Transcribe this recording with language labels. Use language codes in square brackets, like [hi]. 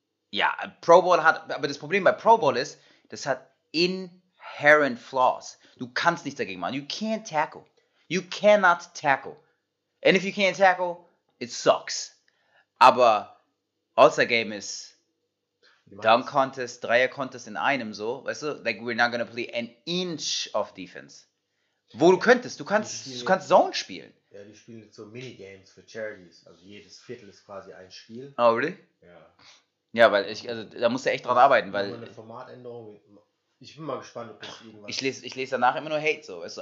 [de] Ja, Pro Bowl hat, aber das Problem bei Pro Bowl ist, das hat [en] inherent flaws. [de] Du kannst nichts dagegen machen. [en] You can't tackle. You cannot tackle. And if you can't tackle, it sucks. [de] Aber All-Star Game ist Dunk Contest, Dreier Contest in einem so, weißt du? [en] Like, we're not gonna play an inch of defense. [de] Wo ja, du könntest, du kannst Zone spielen. Ja, die spielen so Minigames für Charities, also jedes Viertel ist quasi ein Spiel. [en] Oh, really? [de] Ja. Ja, weil ich, also da musst du echt dran arbeiten, weil. Eine Formatänderung, ich bin mal gespannt, ob das irgendwas. Ich lese danach immer nur Hate so, weißt du?